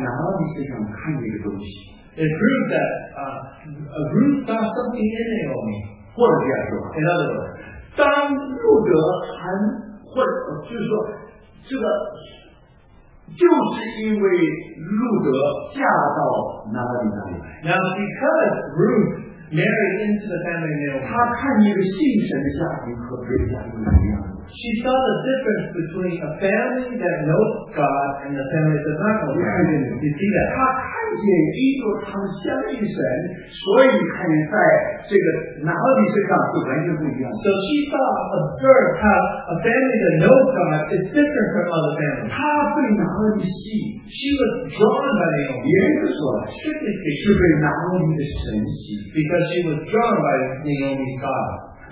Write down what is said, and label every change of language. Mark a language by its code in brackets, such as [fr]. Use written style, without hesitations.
[zh] 这证明说，路德在拿俄米身上看见的东西。 [en] It proves that Ruth saw something in Naomi. [zh] 或者这样说吧。 [en] In other words, [zh] 当路德还或者就是说，这个就是因为路德嫁到拿俄米那里来。 [en] Now because Ruth married into the family Naomi, [zh] 她看见一个信神的家庭和别的家庭不一样。 [en] She saw the difference between a family that knows God and the family that does not know God. Yeah. You see that? [zh] 她看见一个他们相信神，所以看在这个拿俄米身上是完全不一样。 [en] So she saw, observed how a family that knows God is different from other families. [zh] 她被拿俄米吸引。 [en] She was drawn by the Naomi. [zh] 也就是说，strictly是被拿俄米的神吸引。 [en] Because she was drawn by the Naomi's God.